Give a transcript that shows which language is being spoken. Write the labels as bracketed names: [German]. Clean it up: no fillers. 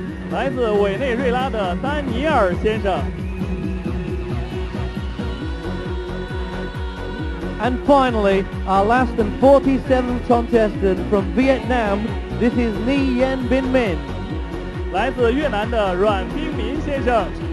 [Chinese] 来自委内瑞拉的丹尼尔先生。 [English] And finally, our last and 47th contestant from Vietnam, this is Ni Yen Bin Min. [Chinese] 来自越南的阮冰明先生。